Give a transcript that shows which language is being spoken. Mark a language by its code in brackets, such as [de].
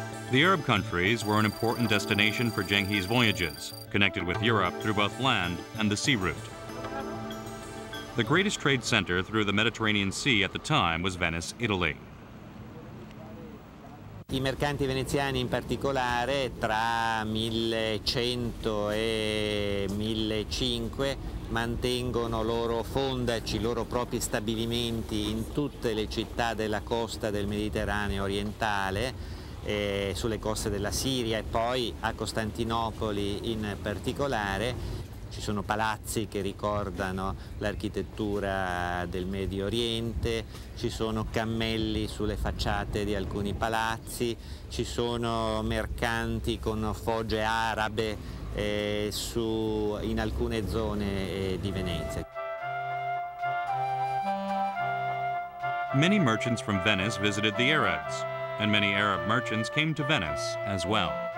[en] The Arab countries were an important destination for Zheng He's voyages, connected with Europe through both land and the sea route. The greatest trade center through the Mediterranean Sea at the time was Venice, Italy. [it] I mercanti veneziani in particolare tra 1100 e 1500 mantengono loro fondaci, loro propri stabilimenti in tutte le città della costa del Mediterraneo orientale, sulle coste della Siria e poi a Costantinopoli in particolare. Ci sono palazzi che ricordano l'architettura del Medio Oriente, ci sono cammelli sulle facciate di alcuni palazzi, ci sono mercanti con foggie arabe in alcune zone di Venezia. [en] Many merchants from Venice visited the Arabs, and many Arab merchants came to Venice as well.